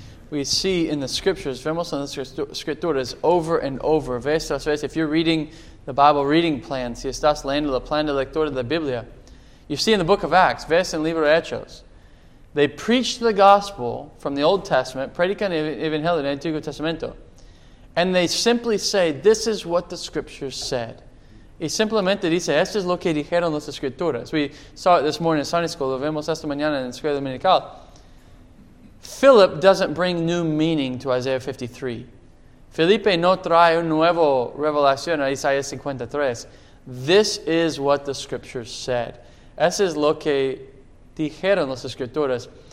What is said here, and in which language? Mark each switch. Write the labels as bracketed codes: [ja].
[en] We see in the scriptures, [es] vemos en las escrituras, [en] over and over, [es] vez tras vez, [en] if you're reading the Bible reading plan, [es] si estás leyendo el plan de lectura de la Biblia, [en] you see in the book of Acts, [es] ves en el libro de Hechos, [en] they preached the gospel from the Old Testament, [es] predican el Evangelio del Antiguo Testamento, [en] and they simply say, this is what the scriptures said. [es] Y simplemente dice, esto es lo que dijeron las escrituras. [en] We saw it this morning in Sunday school, [es] lo vemos esta mañana en la escuela dominical. [en] Philip doesn't bring new meaning to Isaiah 53. [es] Felipe no trae un nuevo revelación a Isaías 53. [en] This is what the scriptures said. [es] Eso es lo que dijeron las escrituras.